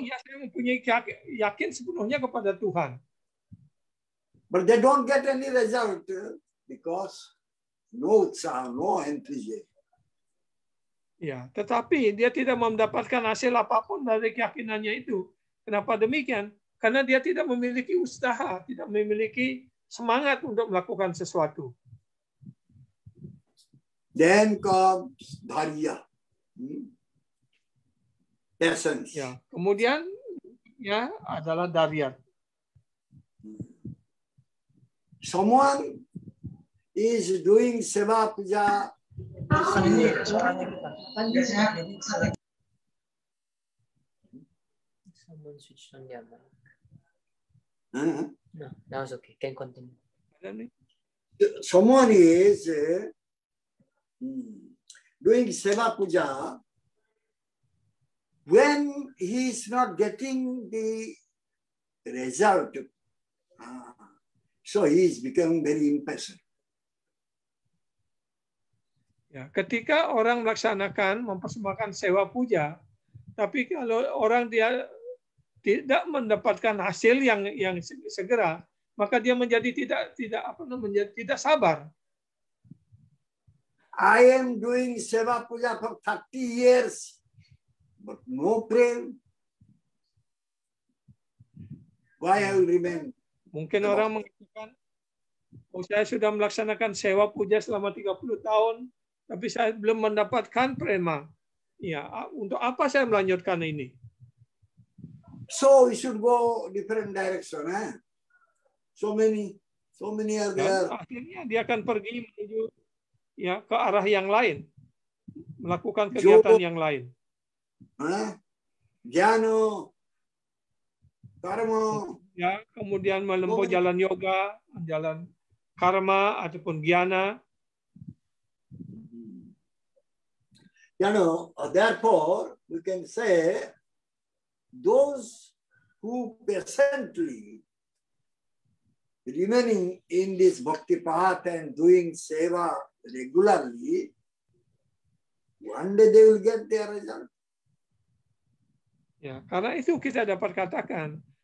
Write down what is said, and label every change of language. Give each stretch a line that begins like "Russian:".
Indonesian: Oh, ya, saya mempunyai yakin sepenuhnya kepada Tuhan.
English: But they don't get any result because no utsaha, no enthusiasm.
Indonesian: Ya, tetapi dia tidak mendapatkan hasil apapun dari keyakinannya itu. Kenapa demikian? Karena dia tidak memiliki usaha, tidak memiliki semangat untuk melakukan sesuatu.
English: Then comes dharya. Patience.
Indonesian: Ya, kemudian ya adalah dharya.
English: Someone is doing seva puja. Someone switched on their mic. No, that was okay. Can continue. Someone is doing seva puja. When he is not getting the result, so he is becoming very impatient.
Indonesian: Ya, ketika orang melaksanakan mempersembahkan seva puja, tapi kalau orang dia tidak mendapatkan hasil yang segera, maka dia menjadi tidak sabar.
English: I am doing seva puja for 30 years, but no prem. Why I remain?
Indonesian: Mungkin orang mengatakan, oh, saya sudah melaksanakan seva puja selama 30 tahun, tapi saya belum mendapatkan prema. Ya, untuk apa saya melanjutkan ini?
English: So we should go different direction, eh? So many are there.
Indonesian: Dan akhirnya dia akan pergi menuju ya ke arah yang lain, melakukan kegiatan yang lain. Jano, karma. Ya, kemudian melempuh jalan yoga, jalan karma ataupun jnana.
English: Jano, therefore we can say those who patiently remaining in this bhakti path and doing seva regularly, one day they will get their result.
Indonesian: Ya, karena itu kita dapat katakan,